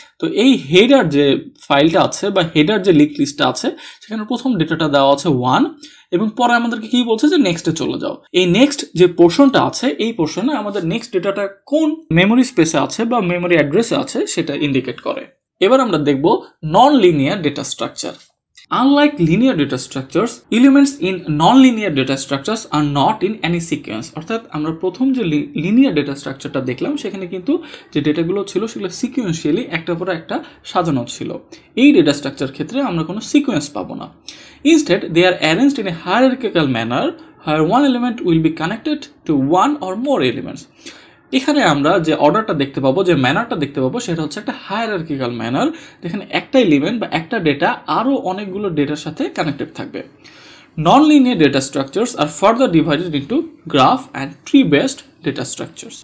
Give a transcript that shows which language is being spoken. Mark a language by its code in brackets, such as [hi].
[bn] তো এই হেডার যে ফাইলটা আছে বা হেডার যে লিঙ্ক লিস্টটা আছে সেখানে প্রথম ডেটাটা দেওয়া আছে ওয়ান, এবং পরে আমাদেরকে কি বলছে যে নেক্সটে চলে যাও। এই নেক্সট যে পোর্শনটা আছে এই পোর্শনে আমাদের নেক্সট ডেটাটা কোন মেমোরি স্পেসে আছে বা মেমোরি অ্যাড্রেসে আছে সেটা ইন্ডিকেট করে। এবার আমরা দেখব non linear data structure. [en] Unlike linear data structures, elements in non-linear data structures are not in any sequence. [bn] অর্থাৎ আমরা প্রথম যে linear data structureটা দেখলাম সেখানে কিন্তু যে ডেটাগুলো ছিল সেগুলো sequentially একটার পর একটা সাজানো ছিল। এই data structure ক্ষেত্রে আমরা কোনো sequence পাবো না। [en] Instead, they are arranged in a hierarchical manner where one element will be connected to one or more elements. [bn] এখানে আমরা যে অর্ডারটা দেখতে পাবো, যে ম্যানারটা দেখতে পাবো, সেটা হচ্ছে একটা হায়ারার্কিক্যাল ম্যানার, যেখানে একটা এলিমেন্ট বা একটা ডেটা আরও অনেকগুলো ডেটার সাথে কানেক্টেড থাকবে। [en] Non linear data structures আর further divided into graph and tree based data structures.